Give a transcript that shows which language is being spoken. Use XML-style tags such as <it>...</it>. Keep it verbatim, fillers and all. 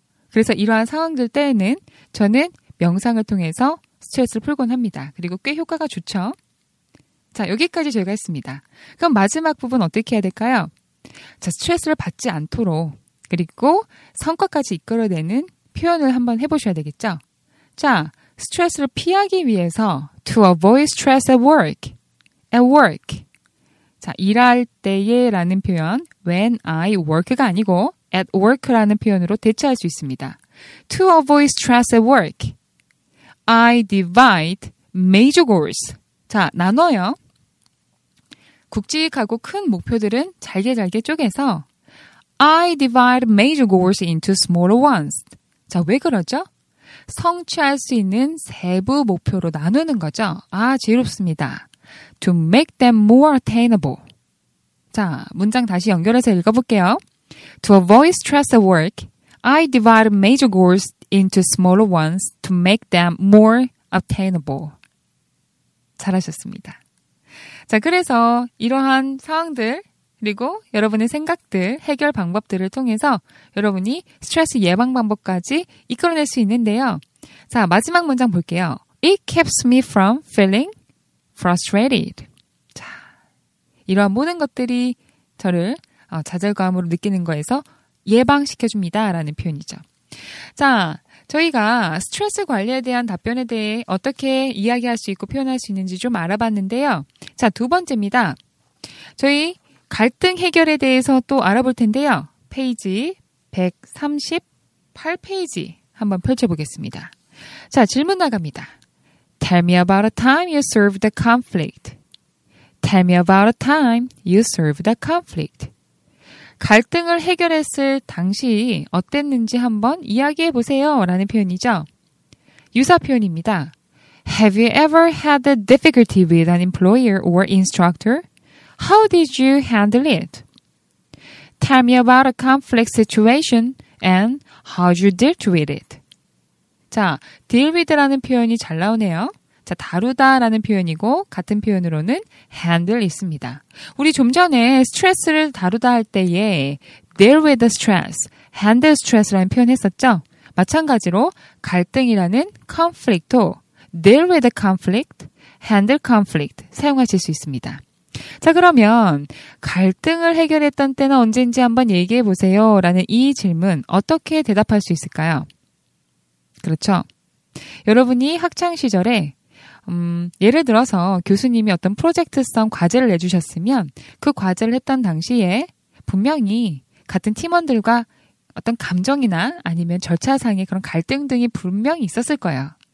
<ko>그래서 이러한 상황들 때에는 저는 명상을 통해서 스트레스를 풀곤 합니다. 그리고 꽤 효과가 좋죠. 자, 여기까지 저희가 했습니다. 그럼 마지막 부분 어떻게 해야 될까요? 자, 스트레스를 받지 않도록 그리고 성과까지 이끌어내는 표현을 한번 해보셔야 되겠죠?</ko> <en>자,</en> <ko>스트레스를 피하기 위해서</ko> <en>to avoid stress at work. at work.</en> <ko>자, 일할 때에 라는 표현</ko> <en>when I work</en> <ko>가 아니고</ko> <en>at work</en> <ko>라는 표현으로 대체할 수 있습니다.</ko> <en>To avoid stress at work, I divide major goals.</en> <ko>자, 나눠요. 굵직하고 큰 목표들은 잘게 잘게 쪼개서</ko> <en>I divide major goals into smaller ones.</en> <ko>자, 왜 그러죠? 성취할 수 있는 세부 목표로 나누는 거죠. 아, 지혜롭습니다.</ko> <en>To make them more attainable.</en> <ko>자, 문장 다시 연결해서 읽어볼게요.</ko> <en>To avoid stress at work, I divide major goals into smaller ones to make them more attainable.</en> <ko>잘하셨습니다. 자, 그래서 이러한 상황들 그리고 여러분의 생각들, 해결 방법들을 통해서 여러분이 스트레스 예방 방법까지 이끌어낼 수 있는데요. 자, 마지막 문장 볼게요.</ko> <en>It keeps me from feeling frustrated.</en> <ko>자, 이러한 모든 것들이 저를 좌절감으로 느끼는 거에서 예방시켜줍니다. 라는 표현이죠. 자, 저희가 스트레스 관리에 대한 답변에 대해 어떻게 이야기할 수 있고 표현할 수 있는지 좀 알아봤는데요. 자, 두 번째입니다. 저희 갈등 해결에 대해서 또 알아볼 텐데요. 페이지 백삼십팔 페이지 한번 펼쳐보겠습니다. 자, 질문 나갑니다.</ko> <en>Tell me about a time you solved the conflict. Tell me about a time you solved the conflict.</en> <ko>갈등을 해결했을 당시 어땠는지 한번 이야기해 보세요. 라는 표현이죠. 유사 표현입니다.</ko> <en>Have you ever had a difficulty with an employer or instructor? How did you handle it? Tell me about a conflict situation and how you dealt with it.</en> <ko>자, deal with라는 표현이 잘 나오네요. 자, 다루다라는 표현이고 같은 표현으로는 handle 있습니다. 우리 좀 전에 스트레스를 다루다 할 때에</ko> <en>deal with the stress, handle stress</en> <ko>라는 표현 했었죠. 마찬가지로 갈등이라는 conflict도</ko> <en>deal with the conflict, handle conflict</en> <ko>사용하실 수 있습니다. 자, 그러면 갈등을 해결했던 때는 언제인지 한번 얘기해 보세요. 라는 이 질문 어떻게 대답할 수 있을까요? 그렇죠. 여러분이 학창 시절에 음, 예를 들어서 교수님이 어떤 프로젝트성 과제를 내주셨으면 그 과제를 했던 당시에 분명히 같은 팀원들과 어떤 감정이나 아니면 절차상의 그런 갈등 등이 분명히 있었을 거예요.</ko>